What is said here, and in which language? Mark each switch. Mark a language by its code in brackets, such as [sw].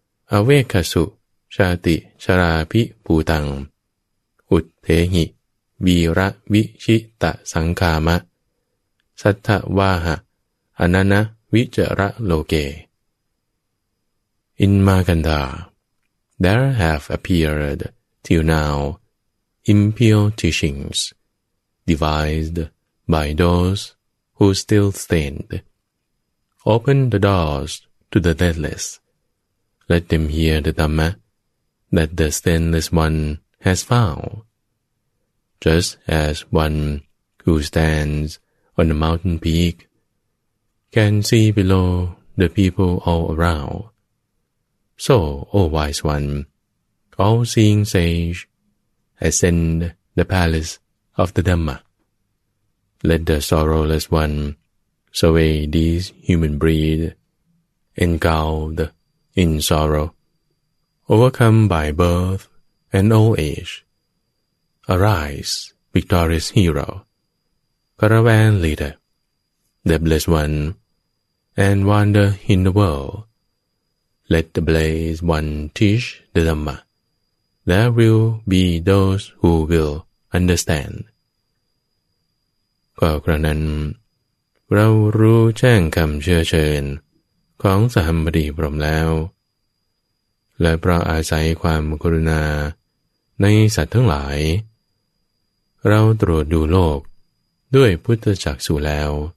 [pi] อเวคสุชาติชราภิภูตังอุทเทหิวีระวิชิตสังคามะสัทธวาหะอนันวิจระโลเก [en] In Maganda, there have appeared till now impure teachings devised by those who still stand. Open the doors to the deathless. Let them hear the Dhamma that the stainless one has found. Just as one who stands on a mountain peak can see below the people all around, so, O wise one, all-seeing sage, ascend the palace of the Dhamma. Let the sorrowless one survey this human breed, engulfed in sorrow, overcome by birth and old age. Arise, victorious hero, caravan leader, the blessed one, and wander in the world. Let the blessed one teach the Dhamma. There will be those who will understand. [th] ก็กระนั้นเรารู้แจ้งคำเชื้อเชิญของสหัมบดีพรหมแล้วและเพราะอาศัยความกรุณาในสัตว์ทั้งหลายเราตรวจดูโลกด้วยพุทธจักษุแล้ว